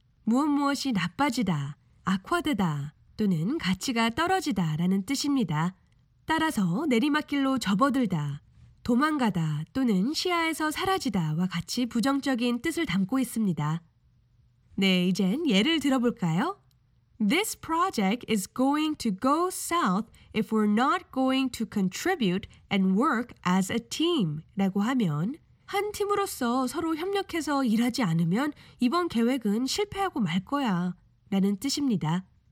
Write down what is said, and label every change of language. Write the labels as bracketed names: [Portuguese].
[Korean] 무엇무엇이 나빠지다, 악화되다, 또는 가치가 떨어지다 라는 뜻입니다. 따라서 내리막길로 접어들다, 도망가다 또는 시야에서 사라지다와 같이 부정적인 뜻을 담고 있습니다. 네, 이젠 예를 들어볼까요? [English] This project is going to go south if we're not going to contribute and work as a team [Korean] 라고 하면 한 팀으로서 서로 협력해서 일하지 않으면 이번 계획은 실패하고 말 거야 라는 뜻입니다.